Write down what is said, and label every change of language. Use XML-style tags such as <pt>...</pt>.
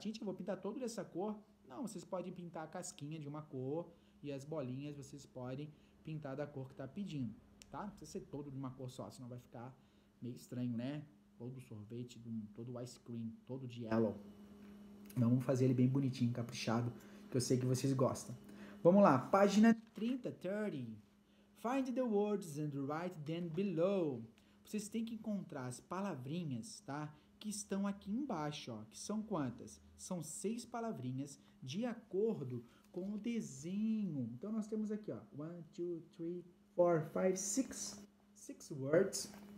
<pt>Gente, eu vou pintar todo dessa cor. Não, vocês podem pintar a casquinha de uma cor e as bolinhas vocês podem pintar da cor que tá pedindo, tá? Não precisa ser todo de uma cor só, senão vai ficar meio estranho, né? Todo sorvete, todo ice cream, todo de yellow. Então vamos fazer ele bem bonitinho, caprichado, que eu sei que vocês gostam. Vamos lá, página 30, 30.</pt> <en>Find the words and write them below.</en> <pt>Vocês têm que encontrar as palavrinhas, tá? Que estão aqui embaixo, ó. Que são quantas? São 6 palavrinhas de acordo com o desenho. Então nós temos aqui, ó. 1, 2, 3, 4, 5, 6.</pt> <en>6 words.</en>